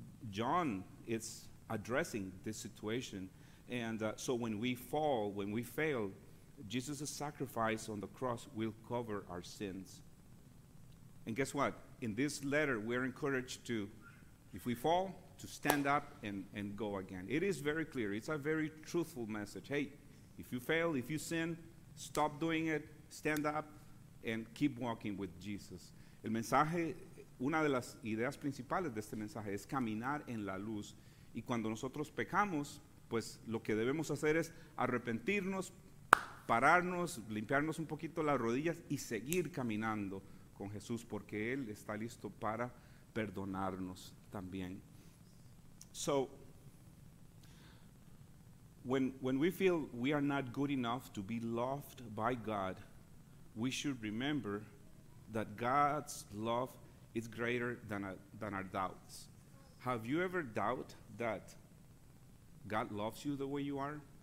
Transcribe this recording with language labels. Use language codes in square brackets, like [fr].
[en] John is addressing this situation, and so when we fall, when we fail, Jesus' sacrifice on the cross will cover our sins. And guess what? In this letter, we're encouraged to, if we fall, to stand up and go again. It is very clear. It's a very truthful message. Hey, if you fail, if you sin, stop doing it, stand up, and keep walking with Jesus. [es] El mensaje, una de las ideas principales de este mensaje es caminar en la luz. Y cuando nosotros pecamos, pues lo que debemos hacer es arrepentirnos, pararnos, limpiarnos un poquito las rodillas y seguir caminando con Jesús porque Él está listo para perdonarnos también. [en] So, when we feel we are not good enough to be loved by God, we should remember that God's love is greater than our doubts. Have you ever doubt that God loves you the way you are?